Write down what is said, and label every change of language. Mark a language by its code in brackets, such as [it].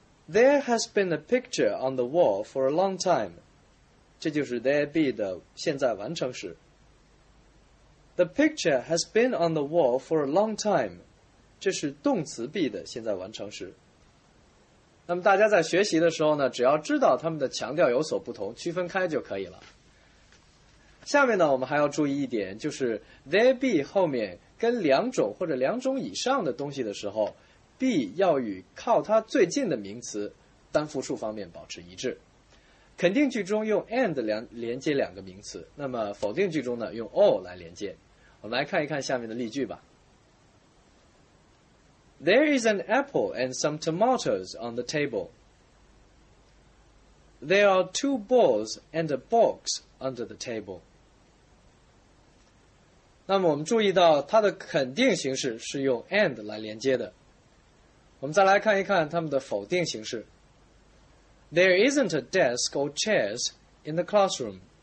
[en] There has been a picture on the wall for a long time. [zh] 这就是 there be 的现在完成时。 [en] The picture has been on the wall for a long time. [zh] 这是动词 be 的现在完成时。那么大家在学习的时候呢，只要知道他们的强调有所不同，区分开就可以了。下面呢，我们还要注意一点，就是 there be 后面跟两种或者两种以上的东西的时候， be 要与靠它最近的名词单复数方面保持一致。肯定句中用 and 连接两个名词，那么否定句中呢用 all 来连接。我们来看一看下面的例句吧。 [en] There is an apple and some tomatoes on the table. There are two balls and a box under the table. [zh] 那么我们注意到它的肯定形式是用 and 来连接的。我们再来看一看它们的否定形式。 [en] There isn't a desk or chairs in the classroom.